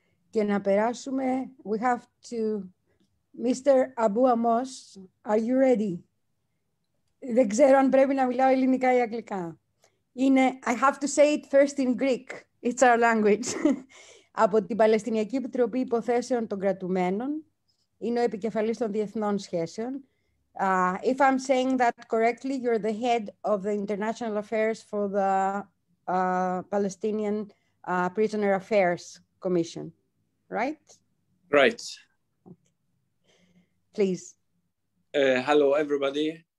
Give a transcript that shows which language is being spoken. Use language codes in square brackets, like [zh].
[el] Και να περάσουμε, [en] we have to Mr. Abu Amos, are you ready? [el] Δεν ξέρω αν πρέπει να μιλάω ελληνικά ή αγγλικά. Είναι, [en] I have to say it first in Greek. It's our language. [el] Από την Παλαιστινιακή Επιτροπή Υποθέσεων των Κρατουμένων, είναι ο επικεφαλής των διεθνών σχέσεων. [en] If I'm saying that correctly, you're the head of the international affairs for the Palestinian Prisoner Affairs Commission, right? Right. Please. Hello, everybody.